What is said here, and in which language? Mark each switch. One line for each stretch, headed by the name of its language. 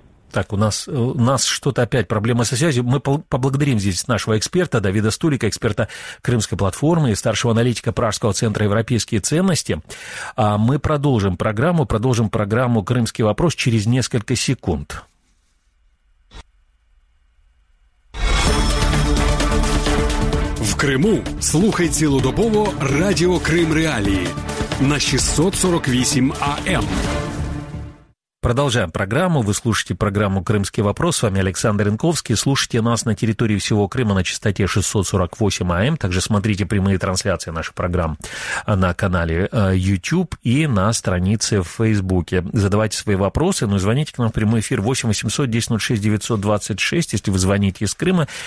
Russian: Так, у нас что-то опять проблема со связью. Мы поблагодарим здесь нашего эксперта Давида Стулика, эксперта Крымской платформы и старшего аналитика Пражского центра «Европейские ценности». А мы продолжим программу «Крымский вопрос» через несколько секунд.
Ukrainian: В Крыму слухайте цілодобово радио «Крым Реалії» на 648 АМ.
Russian: Продолжаем программу. Вы слушаете программу «Крымский вопрос». С вами Александр Янковский. Слушайте нас на территории всего Крыма на частоте 648 АМ. Также смотрите прямые трансляции наших программ на канале YouTube и на странице в Фейсбуке. Задавайте свои вопросы, ну и звоните к нам в прямой эфир 8 800 10 06 926, если вы звоните из Крыма.